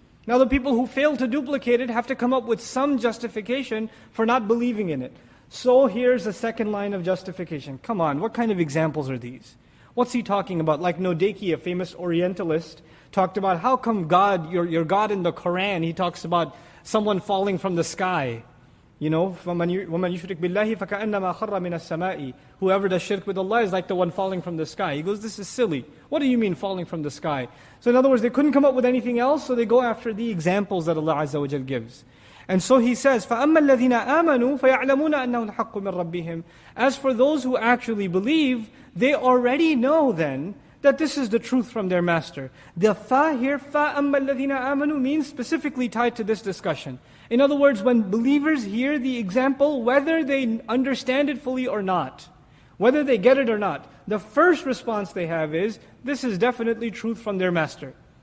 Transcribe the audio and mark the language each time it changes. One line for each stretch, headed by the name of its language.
English: Now the people who fail to duplicate it have to come up with some justification for not believing in it. So here's the second line of justification. Come on, what kind of examples are these? What's he talking about? Like Nodeki, a famous Orientalist, talked about how come God, your God in the Quran, he talks about someone falling from the sky. You know,
Arabic: وَمَنْ يُشْرِكْ بِاللَّهِ فَكَأَنَّمَا خَرَّ مِنَ السَّمَاءِ.
English: Whoever does shirk with Allah is like the one falling from the sky. He goes, this is silly. What do you mean falling from the sky? So in other words, they couldn't come up with anything else, so they go after the examples that Allah Azza wa Jal gives. And so he says,
Arabic: فَأَمَّا الَّذِينَ آمَنُوا فَيَعْلَمُونَ أَنَّهُ الْحَقُّ مِنْ رَبِّهِمْ.
English: As for those who actually believe, they already know then that this is the truth from their master. The fa here,
Arabic: فَأَمَّا الَّذِينَ آمَنُوا,
English: means specifically tied to this discussion. In other words, when believers hear the example, whether they understand it fully or not, whether they get it or not, the first response they have is, this is definitely truth from their master.